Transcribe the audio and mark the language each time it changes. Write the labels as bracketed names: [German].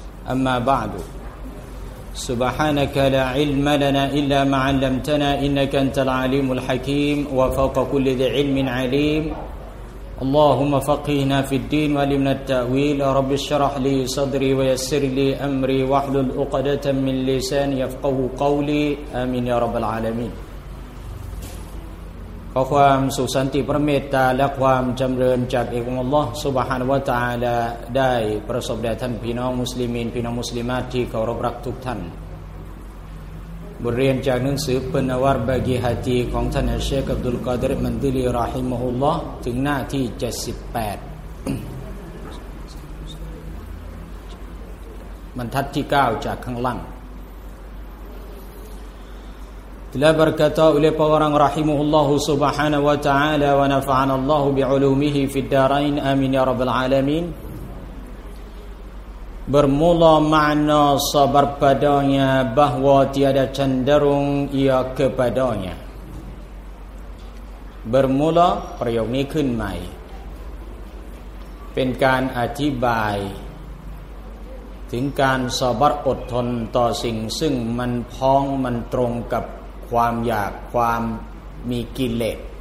[Arabic] أما بعد، سبحانك لا علم لنا إلا ما علمتنا، إنك أنت العليم الحكيم، وفوق كل ذي علم عليم. اللهم فقهنا في الدين وعلمنا التأويل، رب اشرح لي صدري ويسر لي أمري واحلل عقدة من لساني يفقه قولي، آمين يا رب العالمين. [Thai] ขอความสุขสันติพระเมตตาและความจำเริญจากเอกองค์อัลลอฮ์ซุบฮานะฮูวะตะอาลาได้ประสบแด่ท่านพี่น้องมุสลิมีนพี่น้องมุสลิมาตที่เคารพรักทุกท่าน บทเรียนจากหนังสือปินวาร์บะกีฮาตีของท่านเชคอับดุลกอดิรมันดิลีรอฮิมะฮุลลอฮ์ถึงหน้าที่78 บรรทัดที่9จากข้างล่าง [Arabic] لا بركة إلا بوران رحمه الله سبحانه وتعالى ونفعنا الله بعلومه في الدارين آمين يا رب العالمين. [Malay] Bermula makna sabar padanya bahwa tiada cenderung ia kepadanya. [Thai] Bermula ประโยค ini ขึ้น ใหม่ เป็น การ อธิบายถึง การ sabar อดทนต่อ สิ่ง ซึ่ง มัน พ้อง มัน ตรง กับความอยากความมีกิเลส